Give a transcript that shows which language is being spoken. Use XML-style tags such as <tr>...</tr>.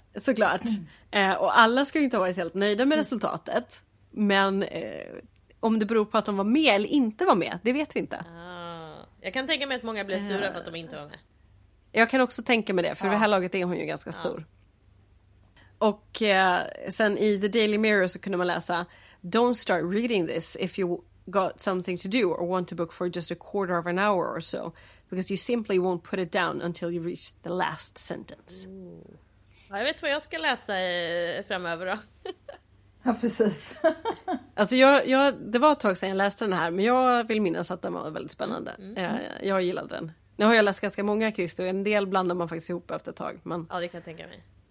<sv>Såklart. Och alla ska ju inte ha varit helt nöjda med resultatet. Men om det beror på att de var med eller inte var med, det vet vi inte. Jag kan tänka mig att många blev sura för att de inte var med. Jag kan också tänka mig det, för det här laget är hon ju ganska stor. Och sen i The Daily Mirror så kunde man läsa:</sv> <en>"Don't start reading this if you got something to do or want a book for just a quarter of an hour or so, because you simply won't put it down until you reach the last sentence."</en> <sv>Ja, jag vet vad jag ska läsa framöver då. Ja, precis. Alltså jag, det var ett tag sedan jag läste den här, men jag vill minnas att den var väldigt spännande. Jag gillade den. Nu har jag läst ganska många Kristo, en del blandar man faktiskt ihop efter ett tag. Men... ja, det kan jag tänka mig.</sv>